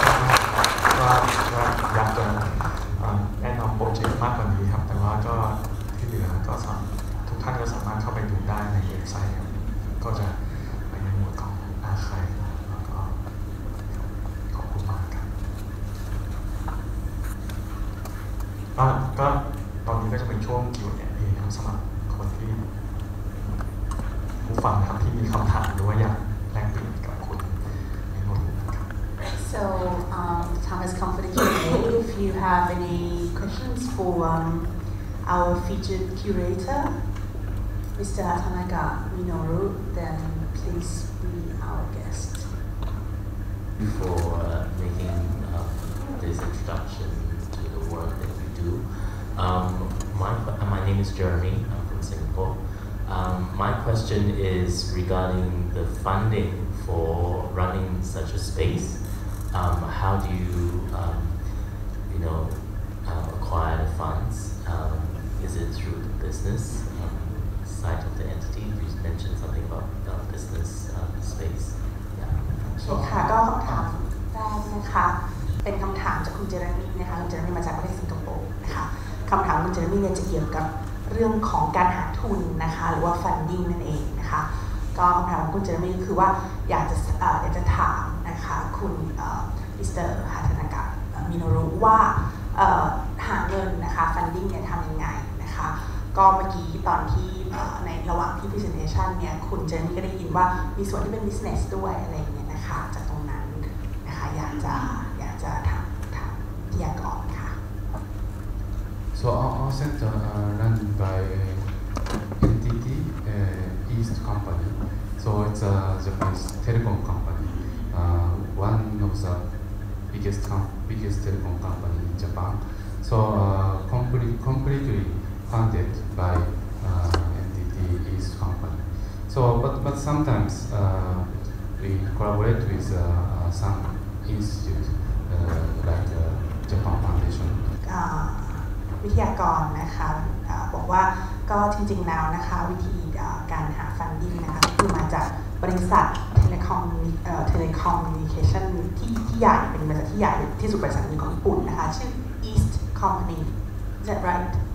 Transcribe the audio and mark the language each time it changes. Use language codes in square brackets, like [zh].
[th] อยากจะแนะนำโปรเจกต์มากกว่านี้ครับแต่ว่าก็ที่เหลือก็สามารถทุกท่านก็สามารถเข้าไปดูได้ในเว็บไซต์ก็จะไปในหมวดของอาคายแล้วก็ขอบคุณมากครับก็ตอนนี้ก็จะเป็นช่วงคิวเนี่ยสำหรับคนที่ผู้ฟังครับที่มีคำถามหรือว่าอยากแลกเปลี่ยนกับคุณในหมวดนะครับ [en] so time has come for the Q&A. If you have any questions for our featured curator, Mr. Tanaka Minoru, then please be our guest. Before making this introduction to the work that you do, my name is Jeremy. I'm from Singapore. My question is regarding the funding for running such a space. How do you, acquire the funds? Is it through the business side of the entity? You mentioned something about the business space. [th] ค่ะก็คำถามได้นะคะเป็นคำถามจากคุณเจริญนะคะคุณเจริญมาจากประเทศสิงคโปร์นะคะคำถามคุณเจริญเนี่ยจะเกี่ยวกับเรื่องของการหาทุนนะคะหรือว่า funding นั่นเองนะคะก็คำถามของคุณเจริญคือว่าอยากจะถามค่ะคุณมิสเตอร์ฮาทานากะมิโนรุว่า หาเงินนะคะฟันดิ้งเนี่ยทำยังไงนะคะก็เมื่อกี้ตอนที่ในระหว่างที่พรีเซนเทชันเนี่ยคุณเจนนี่ก็ได้ยินว่ามีส่วนที่เป็นบิสเนสด้วยอะไรเงี้ยนะคะจากตรงนั้นนะคะอยากจะถามเกี่ยวกับค่ะ [en] so our center run by entity East Company so it's a Japanese telecom companyOne of the biggest telecom company in Japan. So completely funded by NTT East Company. So but sometimes we collaborate with some institute like Japan Foundation. [th] วิทยากรนะคะบอกว่าก็จริงๆแล้วนะคะวิธีการหา funding นะคะคือมาจากบริษัทTelecommunication ที่ใหญ่เป็นบริษัทที่ใหญ่ที่สุดบริษัทหนึ่งของญี่ปุ่นนะคะชื่อ East Company [en] is that right